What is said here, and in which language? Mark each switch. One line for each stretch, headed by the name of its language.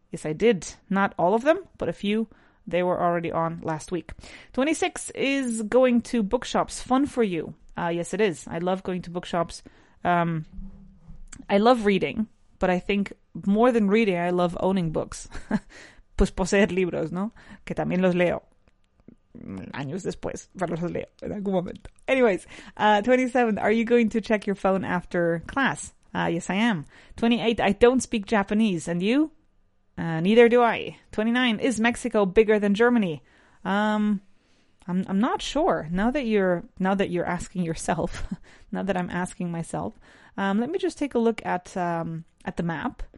English: Yes, I did. Not all of them, but a few. They were already on last week. 26, is going to bookshops fun for you? Yes, it is. I love going to bookshops. I love reading, but I think more than reading, I love owning books.
Spanish: Pues poseer libros, ¿no? Que también los leo. Años después, pero los leo en algún momento.
English: Anyways, 27, are you going to check your phone after class? Yes, I am. 28, I don't speak Japanese. And you? Neither do I. 29, is Mexico bigger than Germany? I'm not sure. Now that you're asking yourself, now that I'm asking myself, let me just take a look at the map.